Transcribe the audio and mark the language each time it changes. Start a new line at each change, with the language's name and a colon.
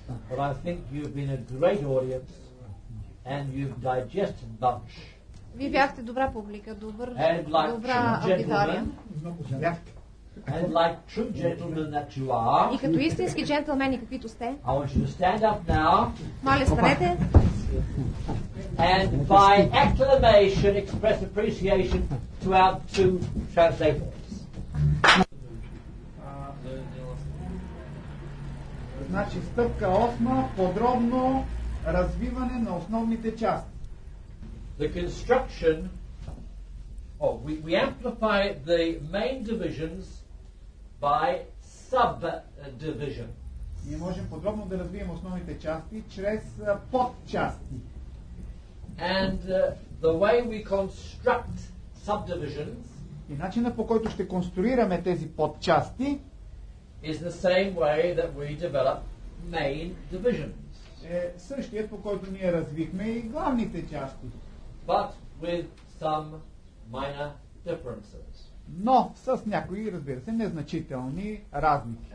English: But I think you've been a great audience and you've digested bunch.
Bulgarian: Вие бяхте добра публика, добър, добра аудитория.
English: And like true gentlemen that you are.
Bulgarian: И като истински джентълмени, каквито сте.
English: I want you to stand up now.
Bulgarian: Моля, станете.
English: And by acclamation express appreciation to our two translators.
Bulgarian: Значи стъпка 8, подробно развиване на основните части.
English: The construction of we amplify the main divisions by subdivision.
Bulgarian: Ние можем подробно да развием основните части чрез подчасти.
English: And the way we construct subdivisions.
Bulgarian: И начинът, по който ще конструираме тези подчасти,
English: is the same way that we develop main divisions.
Bulgarian: Е същият, по който ние развихме и главните части.
English: But with some minor differences.
Bulgarian: Но с някои, разбира се, незначителни разлики.